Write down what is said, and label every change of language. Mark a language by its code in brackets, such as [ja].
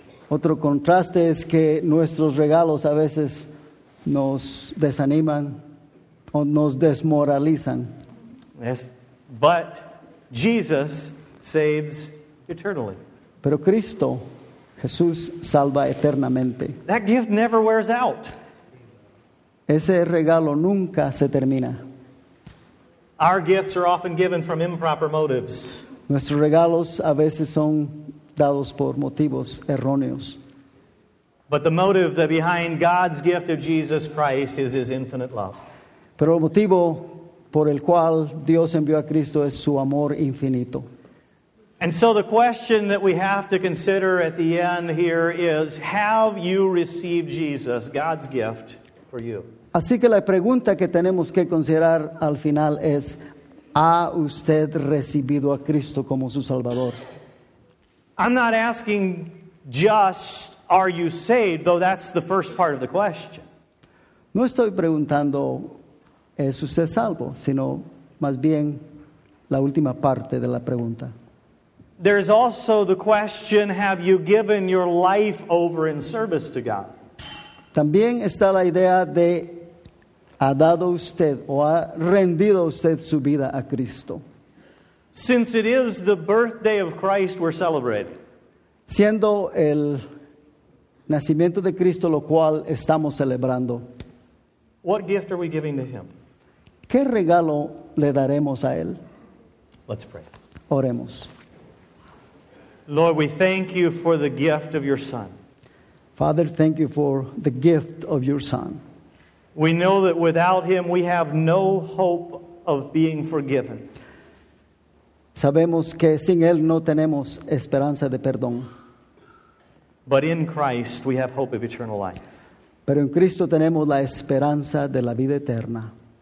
[es] Otro contraste es que nuestros regalos a veces nos desaniman o nos desmoralizan. [en] Yes. But Jesus saves eternally. [es] Pero Cristo, Jesús, salva eternamente. [en] That gift never wears out. [es] Ese regalo nunca se termina. [en] Our gifts are often given from improper motives. [es] Nuestros regalos a veces son dados por motivos erróneos. [en] But the motive that behind God's gift of Jesus Christ is His infinite love. [es] Pero el motivo por el cual Dios envió a Cristo es su amor infinito. [en] And so the question that we have to consider at the end here is, have you received Jesus, God's gift, for you? [es] Así que la pregunta que tenemos que considerar al final es, ¿ha usted recibido a Cristo como su Salvador? [en] I'm not asking just, are you saved, though that's the first part of the question. [es] No estoy preguntando, ¿es usted salvo? Sino más bien la última parte de la pregunta. [en] There's also the question, have you given your life over in service to God? [es] También está la idea de, ¿ha dado usted o ha rendido usted su vida a Cristo? [en] Since it is the birthday of Christ we're celebrating. [es] Siendo el nacimiento de Cristo lo cual estamos celebrando. [en] What gift are we giving to Him? [es] ¿Qué regalo le daremos a Él? [en] Let's pray. [es] Oremos. [en] Lord, we thank you for the gift of your Son. Father, thank you for the gift of your Son. We know that without Him we have no hope of being forgiven. [es] Sabemos que sin Él no tenemos esperanza de perdón. [en] But in Christ we have hope of eternal life. [es] Pero en Cristo tenemos la esperanza de la vida eterna.